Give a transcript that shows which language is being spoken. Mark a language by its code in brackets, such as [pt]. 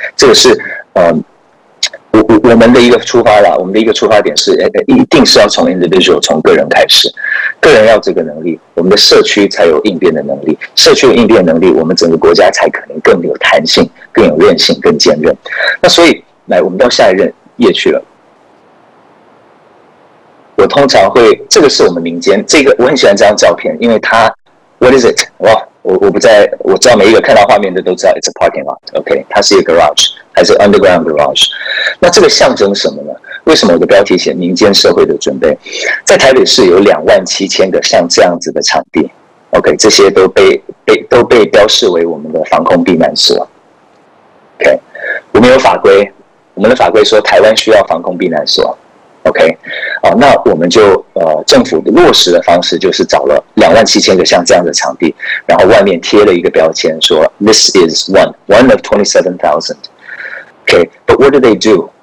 [zh] 这个是我们的一个出发啦，我们的一个出发点是，一定是要从 individual 从个人开始，个人要这个能力，我们的社区才有应变的能力，社区有应变能力，我们整个国家才可能更有弹性、更有韧性、更坚韧。那所以。来，我们到下一任页去了。我通常会，这个是我们民间，这个我很喜欢这张照片，因为它 ， [en] What is it？ [zh] 哇，我不在，我知道每一个看到画面的都知道 ， [en] It's a parking lot。 [zh] OK， 它是一个 garage， 还是 [en] underground garage？ [zh] 那这个象征什么呢？为什么我的标题写民间社会的准备？在台北市有27000个像这样子的场地 ，OK， 这些都被标示为我们的防空避难所。 OK， 我们有法规。我们的法规说台湾需要防空避难所 ，OK， 那我们就政府的落实的方式就是找了27000个像这样的场地，然后外面贴了一个标签说 [en] This is one of 27,000 OK， but what do they do？